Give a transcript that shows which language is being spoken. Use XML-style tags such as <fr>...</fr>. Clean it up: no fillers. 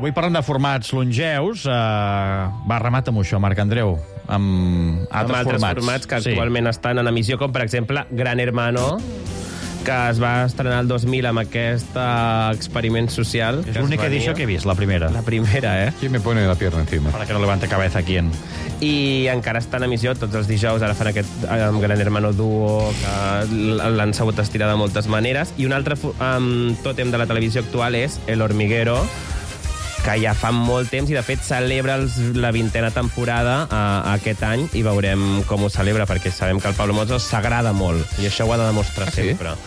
<ca>Avui parlem de formats longeus. Va, remata'm això, Marc Andreu. Amb altres formats que actualment estan en emissió, com, per exemple, Gran Hermano, que es va estrenar el 2000 amb aquest experiment social. És l'únic edició que he vist, la primera. La primera, eh?</ca> <es>¿Quién me pone la pierna encima? Para que no levante cabeza, ¿quién?</es> <ca>I encara està en emissió tots els dijous, ara fan aquest Gran Hermano Duo, que l'han sabut estirar de moltes maneres. I un altre tòtem de la televisió actual és El Hormiguero, que ja fa molt temps, i de fet celebra la 20a temporada aquest any, i veurem com ho celebra, perquè sabem que el Pablo Motos s'agrada molt, i això ho ha de demostrar sempre.</ca>